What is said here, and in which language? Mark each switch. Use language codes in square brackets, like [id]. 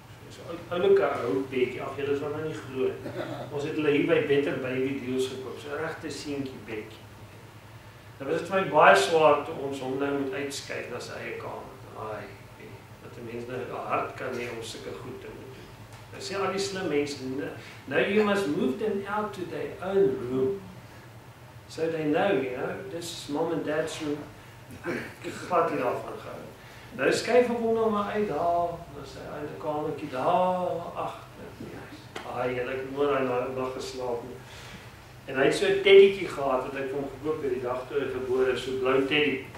[af] So 'n oulike ou bedjie. Ag, julle sal nou nie glo. Ons het hulle hier by Better Baby Deals gekoop. So 'n regte seentjie bedjie. Dit was vir my baie swaar toe ons hom nou moet uitskei na sy eie kamer. Ai, wat 'n mens nou hard kan hê om sulke goed te doen. Ek sê al die slim mense, [en] now you must move them out to their own room. So they know, you know, this is mom and dad's room. [af] Ek gevat hier af van gehou. Nou skuif ek hom nou maar uit daar, na sy eie kamertjie daar agter. Ai, hy het nooit daai nag geslaap nie. En hy het so 'n teddytjie gehad wat ek vir hom gekoop het die dag toe hy gebore is, so 'n blou teddy.